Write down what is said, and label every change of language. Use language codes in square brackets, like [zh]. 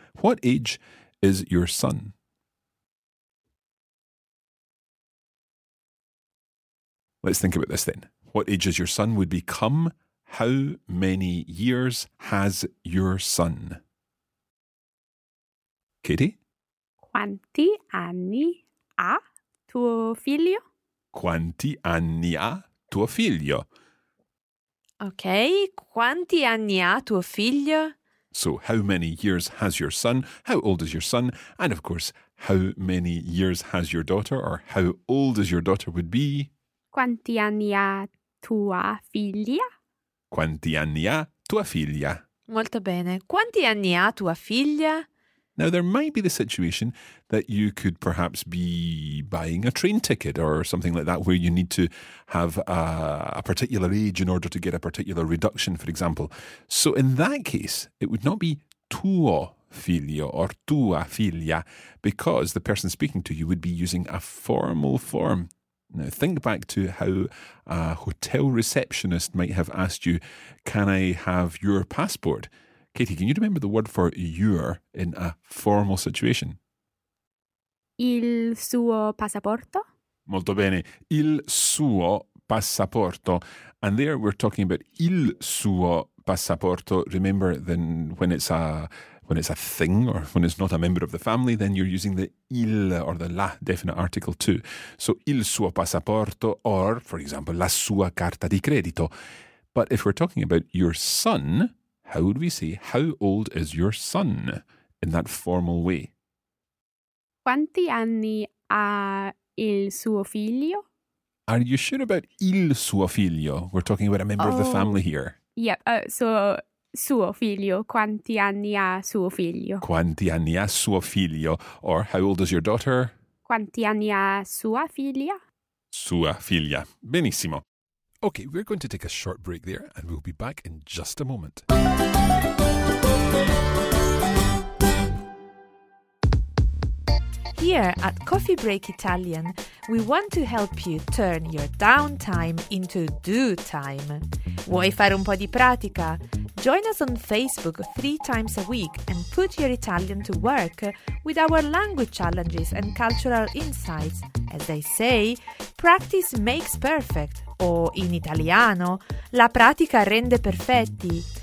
[en] What age is your son? Let's think about this then. What age is your son would become? How many years has your son? Katie? [it] Quanti anni ha tuo figlio? Quanti anni ha tuo figlio? Ok, quanti anni ha tuo figlio? [en] So, how many years has your son? How old is your son? And of course, how many years has your daughter? Or how old is your daughter would be? [it] Quanti anni ha tua figlia? Quanti anni ha tua figlia? Molto bene. Quanti anni ha tua figlia? [en] Now, there might be the situation that you could perhaps be buying a train ticket or something like that where you need to have a particular age in order to get a particular reduction, for example. So in that case, it would not be [it] tuo figlio [en] or [it] tua figlia [en] because the person speaking to you would be using a formal form. Now, think back to how a hotel receptionist might have asked you, can I have your passport? Katie, can you remember the word for your in a formal situation? [it] Il suo passaporto. Molto bene. Il suo passaporto. [en] And there we're talking about [it] il suo passaporto. [en] Remember then when it's a thing or when it's not a member of the family, then you're using the il or the la definite article too. So [it] il suo passaporto [en] or, for example, [it] la sua carta di credito. [en] But if we're talking about your son, how would we say, how old is your son in that formal way? [it] Quanti anni ha il suo figlio? [en] Are you sure about [it] il suo figlio? [en] We're talking about a member of the family here. Yep, so [it] suo figlio, quanti anni ha suo figlio? Quanti anni ha suo figlio? [en] Or how old is your daughter? [it] Quanti anni ha sua figlia? Sua figlia, benissimo. [en] Okay, we're going to take a short break there and we'll be back in just a moment. Here at Coffee Break Italian, we want to help you turn your downtime into do time. [it] Vuoi fare un po' di pratica? [en] Join us on Facebook 3 times a week and put your Italian to work with our language challenges and cultural insights. As they say, practice makes perfect. [it] O in italiano, la pratica rende perfetti.